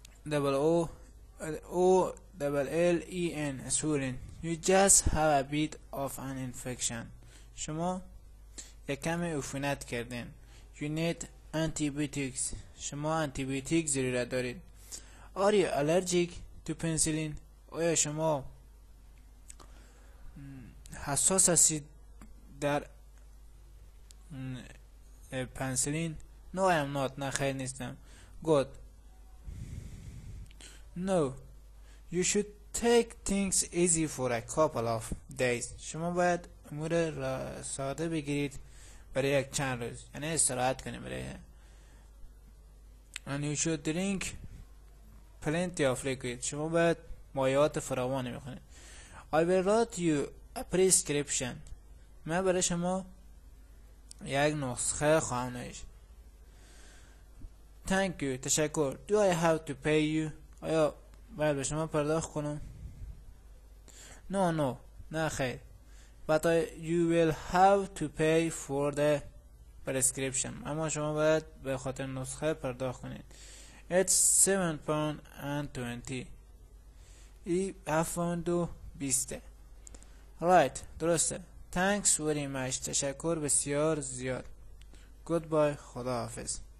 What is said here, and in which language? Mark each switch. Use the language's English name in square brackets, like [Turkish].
[English] double O O double L E N swollen You just have a bit of an infection [Persian] شما یک کمی عفونت کردین [English] You need antibiotics [Persian] شما antibiotics ضرورت دارید [English] Are you allergic to penicillin؟ [Persian] آیا شما حساس هستید در پنسلین؟ [English] No, I am not. [Persian] نه خیلی نیستم. [English] Good. No. You should take things easy for a couple of days. [Persian] شما باید امور ساده بگیرید برای یک چند روز. یعنی استراحت کنید برای [English] And you should drink plenty of liquid. [Persian] شما باید مایعات فراوانی بخورید. [English] I will write you a prescription. [Persian] من برای شما یک نسخه خواهم نوشت. [English] Thank you. [Persian] تشکر. [English] Do I have to pay you? [Persian] آیا باید به شما پرداخت کنم؟ [English] No, no. [Persian] نه خیر. [English] But you will have to pay for the prescription. [Persian] اما شما باید به خاطر نسخه پرداخت کنید. [English] It's 7 pound and 20. ای 7 pound و 20. Right. [Persian] درسته. [English] Thanks very much. [Persian] تشکر بسیار زیاد. [English] Goodbye. [Persian] خداحافظ.